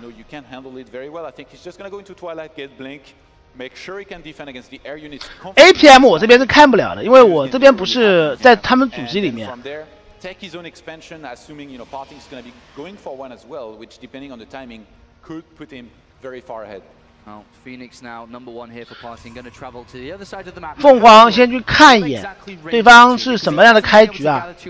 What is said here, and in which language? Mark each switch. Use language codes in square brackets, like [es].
[en] You know, you can't handle it very well. I think he's just going to go into twilight get blink. Make sure he can defend against the air units. [zh] APM 我这边是看不了的，因为我这边不是在他们主机里面。 [en] Take his own expansion, assuming you know Parting is going to be going for one as well, which depending on the timing could put him very far ahead. Well, Phoenix now number one here for Parting, going to travel to the other side of the map. [zh] 凤凰先去看一眼，对方是什么样的开局啊？